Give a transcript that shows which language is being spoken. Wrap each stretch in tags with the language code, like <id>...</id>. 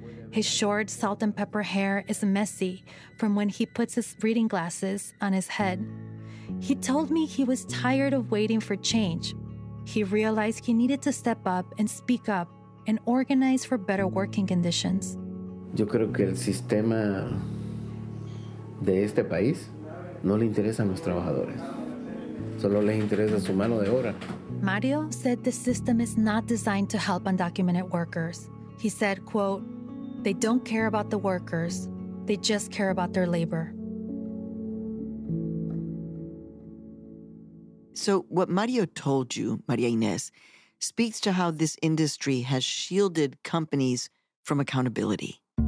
<en>His short salt and pepper hair is messy from when he puts his reading glasses on his head. He told me he was tired of waiting for change. He realized he needed to step up and speak up and organize for better working conditions.</en> <es>Yo creo que el sistema de este país no le interesa a los trabajadores. Solo les interesa su mano de obra.</es> <en>Mario said the system is not designed to help undocumented workers. He said, quote, "They don't care about the workers. They just care about their labor." So what Mario told you, Maria Ines, speaks to how this industry has shielded companies from accountability.</en>